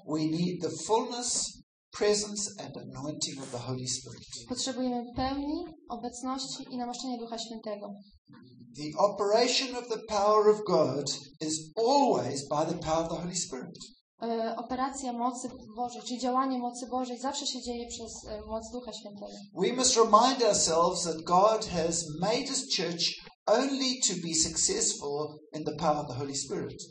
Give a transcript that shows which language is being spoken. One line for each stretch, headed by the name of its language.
English: We need the fullness, presence and anointing of the Holy Spirit.
Polish: Potrzebujemy pełni obecności i namaszczenia Ducha Świętego.
English: The operation of the power of God is always by the power of the Holy Spirit.
Polish: Operacja mocy Bożej, czy działanie mocy Bożej zawsze się dzieje przez moc Ducha Świętego.
English: We must remind ourselves that God has made his church only to be successful in the power of the Holy Spirit.